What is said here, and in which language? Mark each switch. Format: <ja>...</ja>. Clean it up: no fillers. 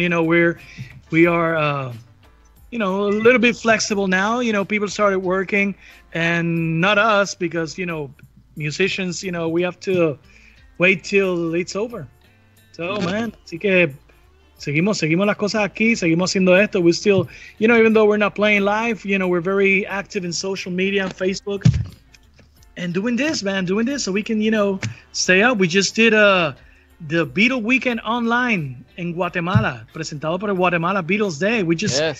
<en>You know, we are, you know, a little bit flexible now. You know, people started working, and not us, because, you know, musicians, you know, we have to wait till it's over. So, man,</en> <es>así que seguimos las cosas aquí, seguimos haciendo esto.</es> <en>We still, you know, even though we're not playing live, you know, we're very active in social media and Facebook and doing this so we can, you know, stay up. We just did the Beatle Weekend online in Guatemala,</en> <es>presentado por</es> <en>Guatemala Beatles Day. We just,</en>